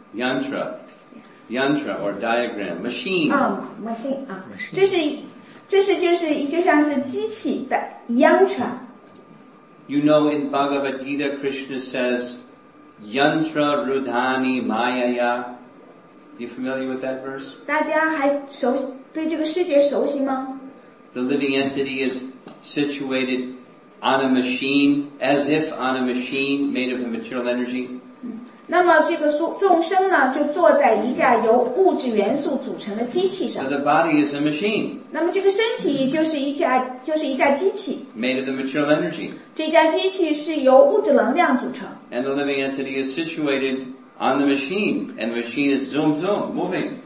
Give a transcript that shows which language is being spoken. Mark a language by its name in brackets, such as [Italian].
[English] Yantra, yantra or diagram, machine. Machine. [Chinese] 这是就像是机器的 yantra. [English] You know, in Bhagavad Gita, Krishna says, [Sanskrit] "Yantra rudhani mayaya." [English] You familiar with that verse? [Chinese] 大家还熟对这个世界熟悉吗？ [English] The living entity is situated on a machine, as if on a machine made of a material energy. [Chinese] 那么这个众生呢，就坐在一架由物质元素组成的机器上。 [English] So the body is a machine. [Chinese] 那么这个身体就是一架机器。 [English] Made of the material energy. [Chinese] 这架机器是由物质能量组成。 [English] And the living entity is situated on the machine, and the machine is zoom zoom moving.